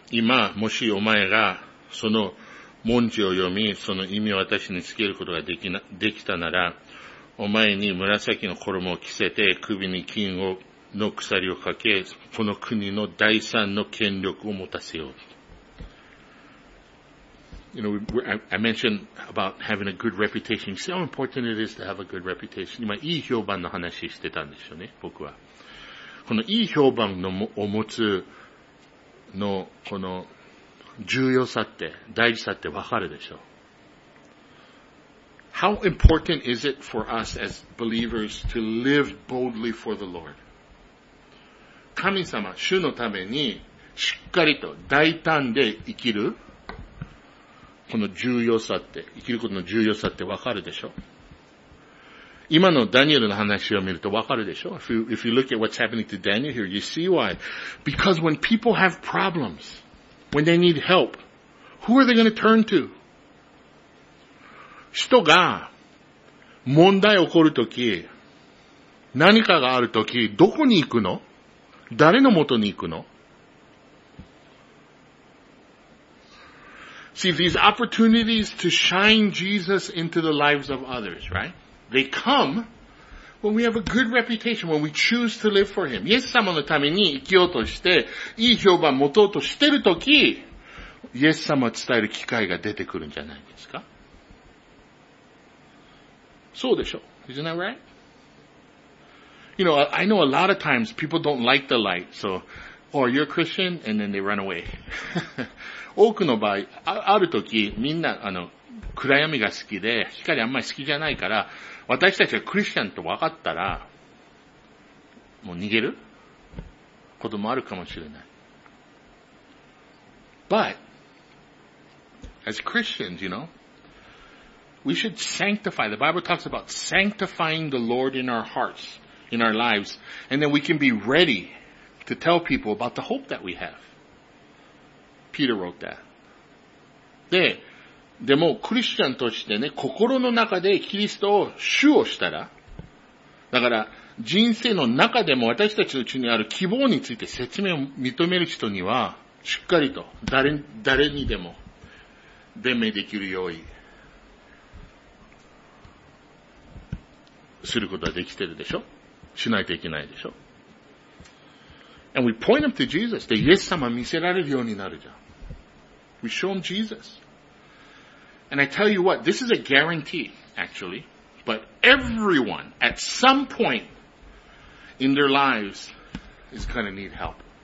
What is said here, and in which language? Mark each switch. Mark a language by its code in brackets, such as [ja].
[ja] 今、もしお前がその文字を読み、その意味を私に告げることができたなら、お前に紫の衣を着せて、首に金をの鎖をかけ、この国の第三の権力を持たせよう。 [en] You know, I mentioned about having a good reputation. You see how important it is to have a good reputation. [ja] 今、いい評判の話してたんですよね、僕は。このいい評判のを持つの、この重要さって、大事さってわかるでしょ。 [en] How important is it for us as believers to live boldly for the Lord? [ja] 神様、主のためにしっかりと大胆で生きる、この重要さって、生きることの重要さってわかるでしょ？今のダニエルの話を見るとわかるでしょ？ [en] If you look at what's happening to Daniel here, you see why. Because when people have problems, when they need help, who are they going to turn to? [ja] 人が問題起こるとき、何かがあるとき、どこに行くの？誰のもとに行くの？ [en] See, these opportunities to shine Jesus into the lives of others, right? They come when we have a good reputation, when we choose to live for Him. [ja] イエス様のために生きようとして、いい評判を持とうとしてるとき、イエス様を伝える機会が出てくるんじゃないですか？そうでしょう。 [en] Isn't that right? You know, I know a lot of times people don't like the light, so, or you're a Christian, and then they run away. [ja] 多くの場合、あるときみんな、暗闇が好きで、光あんまり好きじゃないから、私たちがクリスチャンと分かったら、もう逃げることもあるかもしれない。 [en] But, as Christians, you know, we should sanctify. The Bible talks about sanctifying the Lord in our hearts, in our lives, and then we can be ready to tell people about the hope that we have. Peter wrote that. [ja] でも、クリスチャンとしてね、心の中でキリストを主をしたら、だから、人生の中でも私たちのうちにある希望について説明を認める人には、しっかりと、誰にでも、弁明できるように、することはできてるでしょ？しないといけないでしょ ? [en] And we point them to Jesus. [ja] で、イエス様見せられるようになるじゃん。 [en] We show them Jesus. And I tell you what, this is a guarantee, actually, but everyone at some point in their lives is going to need help.